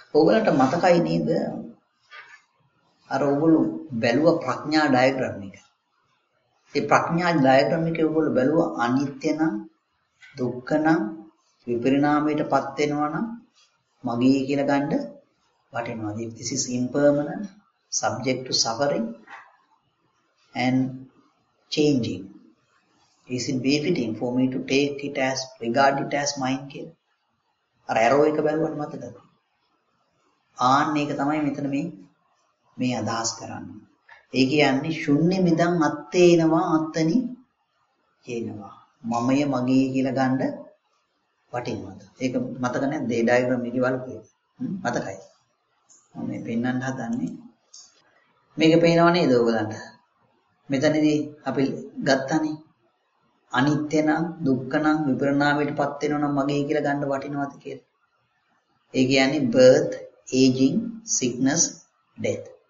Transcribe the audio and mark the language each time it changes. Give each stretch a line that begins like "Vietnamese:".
Sinhala: ඔයගලට මතකයි නේද අර ඔයගොලු බැලුව ප්‍රඥා ඩයග්‍රෑම් එක. ඒ ප්‍රඥා ඩයග්‍රෑම් එකේ ඔයගොලු බැලුව අනිත්‍ය නම් දුක්ඛ නම් විපරිණාමයට පත් වෙනවා නම් මගේ කියලා ගන්න වටිනවා.
English: This is impermanent, subject to suffering and changing. Is it befitting for me to take it as, regard it as mine
Sinhala: කියලා. අර arrow එක බලන්න මතකද? ආන්න ඒක තමයි මෙතන මේ අදහස් කරන්නේ. ඒ කියන්නේ ශුන්‍ය මිදං අත්තේනවා අත්තනි කියනවා. මමය මගේ කියලා ගන්න වටිනවද? ඒක මතක නැද්ද? ඒ ඩයග්‍රෑම් එකේ වලකේ මතකයි. මම මේ පෙන්වන්න හදන්නේ. මේක පේනව නේද ඔයගලන්ට? මෙතනදී අපි ගත්තනේ අනිත්‍ය නම් දුක්ඛ නම් විපරණාවයට පත් වෙනව නම් මගේ කියලා ගන්න වටිනවද කියලා. ඒ කියන්නේ
English: birth, aging, sickness, death.